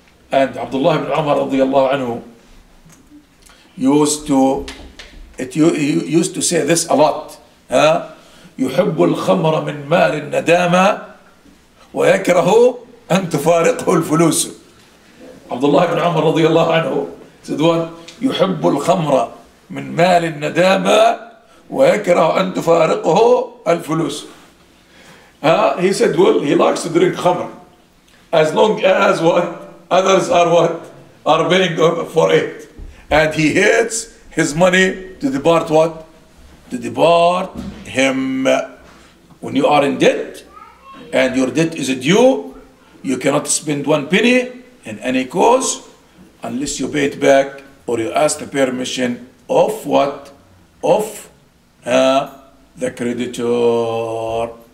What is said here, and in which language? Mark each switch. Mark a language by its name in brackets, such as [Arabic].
[English] And Abdullah ibn Umar radiallahu anhu used to say this a lot. [Arabic] يحب الخمر من مال الندامة ويكره أن تفارقه الفلوس. [English] Abdullah ibn Umar radiallahu anhu said what? [Arabic] يحب الخمر من مال الندامة ويكره أن تفارقه الفلوس. [English] He said, well, he likes to drink khamr as long as what others are what are paying for it, and he hates his money to depart what to depart him. When you are in debt and your debt is due, you cannot spend one penny in any cause unless you pay it back or you ask the permission of what of the creditor.